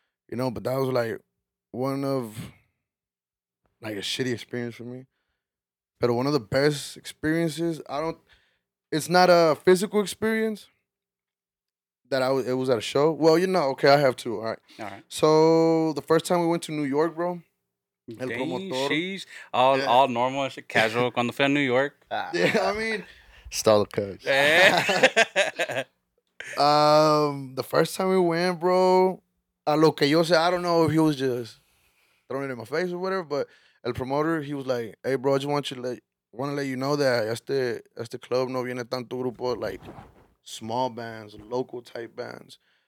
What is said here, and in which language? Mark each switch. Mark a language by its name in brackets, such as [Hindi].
[English] You know, but that was like one of, like a shitty experience for me. But one of the best experiences, it's not a physical experience that it was at a show. Well, you know, okay, I have two, all right. All right. So the first time we went to New York, bro, [Spanish] El promotor. Sheesh. [English] All normal, casual, [Spanish] cuando fue a [English] New York. Yeah, I mean. Stall the coach. The first time we went, bro, [Spanish] a lo que yo [English] said, I don't know if he was just throwing it in my face or whatever, but el promotor, he was like, hey, bro, I just want to let you know that [Spanish] este club no viene tanto grupo, [English] like small bands, local type bands.